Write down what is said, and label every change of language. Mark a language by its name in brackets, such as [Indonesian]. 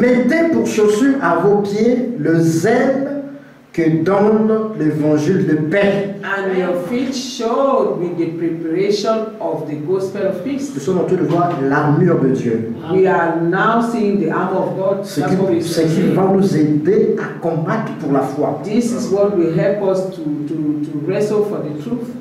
[French] mettez pour chaussure à vos pieds le zèle que donne l'évangile de paix. [English] And your feet shod with the preparation of the gospel of peace. [French] Nous sommes en train de voir l'armure de Dieu. [English] We are now seeing the armor of God. [French] Ce qui va nous aider à combattre pour la foi. [English] This is what will help us to wrestle for the truth.